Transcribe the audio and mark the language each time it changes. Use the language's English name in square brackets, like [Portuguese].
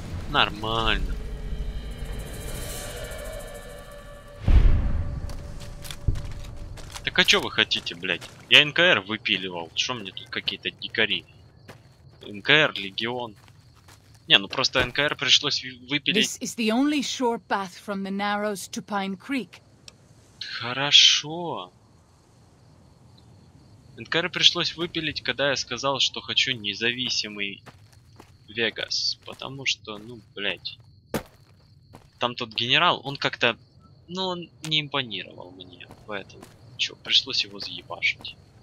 [Russian] нормально. Так а чё вы хотите, блядь? Я НКР выпиливал. Что мне тут какие-то дикари? НКР, Легион. Не, ну просто НКР пришлось выпилить. [English] This is the only short path from the Narrows to Pine Creek. [Russian] Хорошо. НКР пришлось выпилить, когда я сказал, что хочу независимый Вегас. Потому что, ну, блядь. Там тот генерал, он как-то... Ну, он не импонировал мне. Поэтому, чё, пришлось его заебашить.